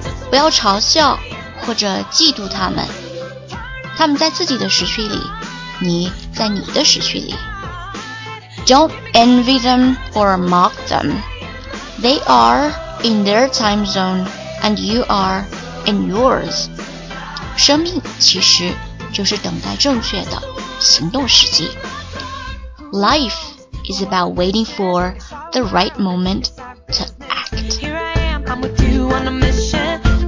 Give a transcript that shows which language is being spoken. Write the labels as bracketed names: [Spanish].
[Chinese] 不要嘲笑或者嫉妒他们。他们在自己的时区里，你在你的时区里。 [English] Don't envy them or mock them. They are in their time zone and you are in yours. [Chinese] 生命其实就是等待正确的行动时机。 [English] Life is about waiting for the right moment to act. Here I am, I'm with you on a mission.